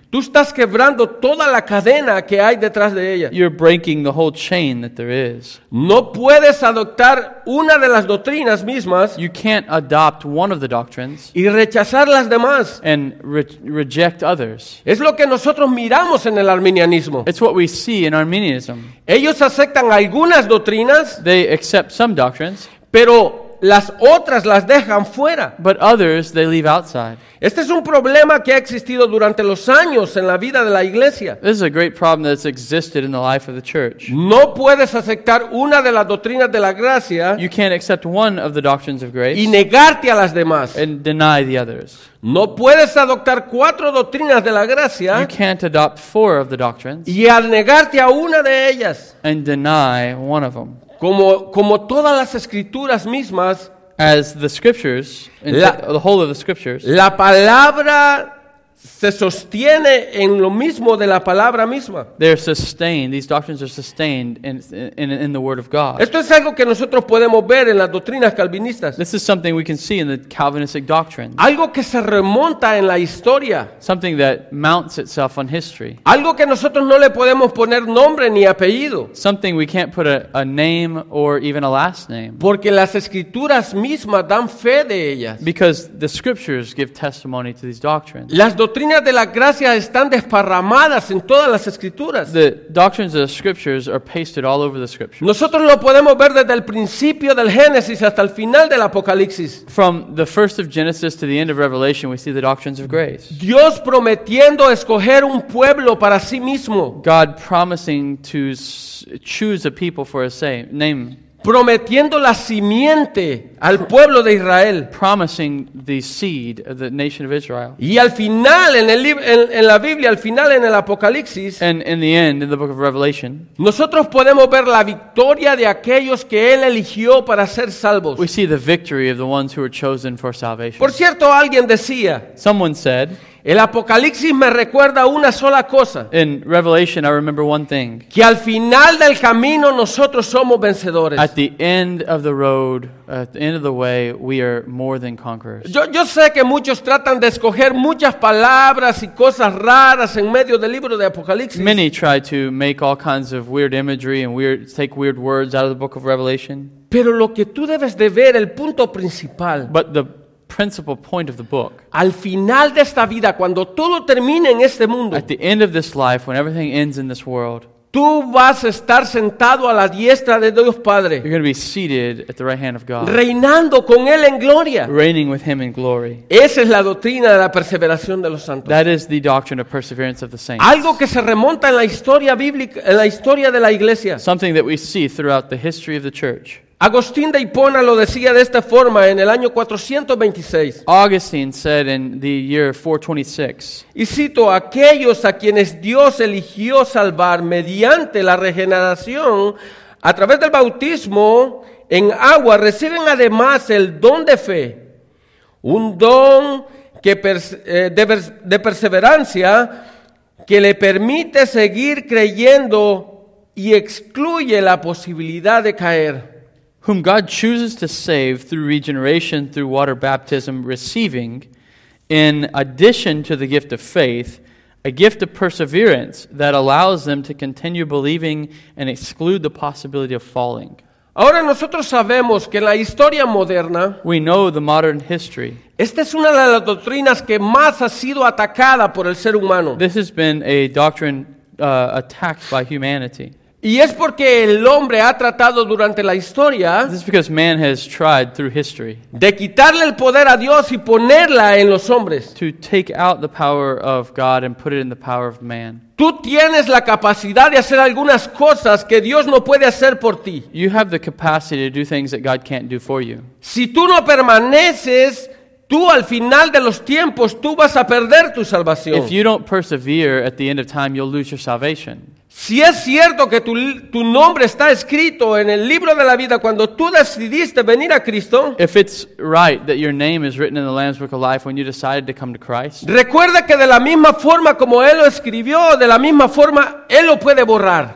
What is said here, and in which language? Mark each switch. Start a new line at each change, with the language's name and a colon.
Spanish: tú estás quebrando toda la cadena que hay detrás de ella.
English: You're breaking the whole chain that there is.
Spanish: No puedes adoptar una de las doctrinas mismas.
English: You can't adopt one of the doctrines.
Spanish: Y rechazar las demás.
English: And reject others.
Spanish: Es lo que nosotros miramos en el arminianismo.
English: It's what we see in Arminianism.
Spanish: Ellos aceptan algunas doctrinas.
English: They accept some doctrines.
Spanish: Pero las otras las dejan fuera.
English: But others they leave outside.
Spanish: Este es un problema que ha existido durante los años en la vida de la iglesia.
English: This is a great problem that's existed in the life of the church.
Spanish: No puedes aceptar una de las doctrinas de la gracia.
English: You can't accept one of the doctrines of grace.
Spanish: Y negarte a las demás.
English: And deny the others.
Spanish: No puedes adoptar cuatro doctrinas de la gracia.
English: You can't adopt four of the doctrines.
Spanish: Y al negarte a una de ellas.
English: And deny one of them.
Spanish: Como todas las escrituras mismas,
English: as the scriptures, the whole of the scriptures,
Spanish: la palabra se sostiene en lo mismo de la palabra misma.
English: They're sustained. These doctrines are sustained in the word of God.
Spanish: Esto es algo que nosotros podemos ver en las doctrinas calvinistas.
English: This is something we can see in the Calvinistic doctrine.
Spanish: Algo que se remonta en la historia.
English: Something that mounts itself on history.
Spanish: Algo que nosotros no le podemos poner nombre ni apellido.
English: Something we can't put a name or even a last name.
Spanish: Porque las escrituras mismas dan fe de ellas.
English: Because the scriptures give testimony to these doctrines.
Spanish: Las doctrinas de la gracia están desparramadas en todas las escrituras.
English: The doctrines of the scriptures are pasted all over the scriptures.
Spanish: Nosotros lo podemos ver desde el principio del Génesis hasta el final del Apocalipsis.
English: From the first of Genesis to the end of Revelation, we see the doctrines of grace.
Spanish: Dios prometiendo escoger un pueblo para sí mismo.
English: God promising to choose a people for his name.
Spanish: Prometiendo la simiente al pueblo de Israel.
English: Promising the seed of the nation of Israel.
Spanish: Y al final, en la Biblia, al final en el Apocalipsis,
English: and in the end, in the book of Revelation,
Spanish: nosotros podemos ver la victoria de aquellos que Él eligió para ser salvos.
English: We see the victory of the ones who were chosen for salvation.
Spanish: Por cierto, alguien decía,
English: someone said,
Spanish: el Apocalipsis me recuerda una sola cosa.
English: In Revelation, I remember one thing.
Spanish: Que al final del camino nosotros somos vencedores.
English: At the end of the road, at the end of the way, we are more than conquerors.
Spanish: Yo sé que muchos tratan de escoger muchas palabras y cosas raras en medio del libro de Apocalipsis.
English: Many try to make all kinds of weird imagery and weird take weird words out of the book of Revelation.
Spanish: Pero lo que tú debes de ver, el punto principal.
English: But the principal point of the book.
Spanish: Al final de esta vida, cuando todo termine en este mundo,
English: at the end of this life, when everything ends in this world,
Spanish: tú vas a estar sentado a la diestra de Dios Padre.
English: You're going to be seated at the right hand of God.
Spanish: Reinando con Él en gloria.
English: Reigning with Him in glory.
Spanish: Esa es la doctrina de la perseveración de los santos.
English: That is the doctrine of perseverance of the saints.
Spanish: Algo que se remonta en la historia bíblica, en la historia de la iglesia.
English: Something that we see throughout the history of the church.
Spanish: Agustín de Hipona lo decía de esta forma en el año 426.
English: Augustine said in the year 426.
Spanish: Y cito, aquellos a quienes Dios eligió salvar mediante la regeneración a través del bautismo en agua reciben además el don de fe, un don que de perseverancia que le permite seguir creyendo y excluye la posibilidad de caer.
English: Whom God chooses to save through regeneration, through water baptism, receiving, in addition to the gift of faith, a gift of perseverance that allows them to continue believing and exclude the possibility of falling.
Spanish: Ahora nosotros sabemos que en la historia moderna,
English: we know the modern history,
Spanish: esta es una de las doctrinas que más ha sido atacada por el ser humano.
English: This has been a doctrine attacked by humanity.
Spanish: Y es porque el hombre ha tratado durante la historia,
English: this is because man has tried through history,
Spanish: de quitarle el poder a Dios y ponerla en los hombres.
English: To take out the power of God and put it in the power of man.
Spanish: Tú tienes la capacidad de hacer algunas cosas que Dios no puede hacer por ti.
English: You have the capacity to do things that God can't do for you.
Spanish: Si tú no permaneces, tú al final de los tiempos, tú vas a perder tu salvación.
English: If you don't persevere, at the end of time, you'll lose your salvation.
Spanish: Si es cierto que tu nombre está escrito en el libro de la vida cuando tú decidiste venir a Cristo,
English: if it's right that your name is written in the Lamb's Book of Life when you decided to come to Christ,
Spanish: recuerda que de la misma forma como Él lo escribió, de la misma forma Él lo puede borrar.